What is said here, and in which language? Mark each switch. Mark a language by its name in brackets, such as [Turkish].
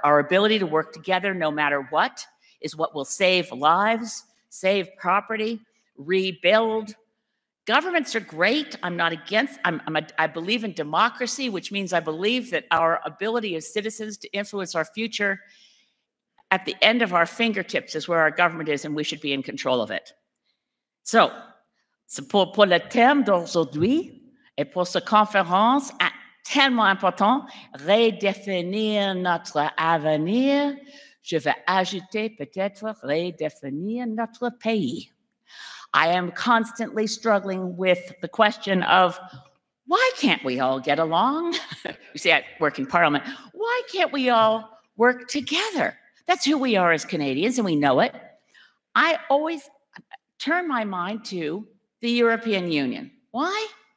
[English] Our ability to work together no matter what is what will save lives, save property, rebuild. Governments are great. I believe in democracy, which means I believe that our ability as citizens to influence our future at the end of our fingertips is where our government is, and we should be in control of it. [French] So, pour le thème d'aujourd'hui et pour cette conférence tellement importante, redéfinir notre avenir, je vais ajouter peut-être redéfinir notre pays. [English] I am constantly struggling with the question of why can't we all get along? You see, I work in Parliament. Why can't we all work together? That's who we are as Canadians, and we know it. I always turn my mind to the European Union. Why?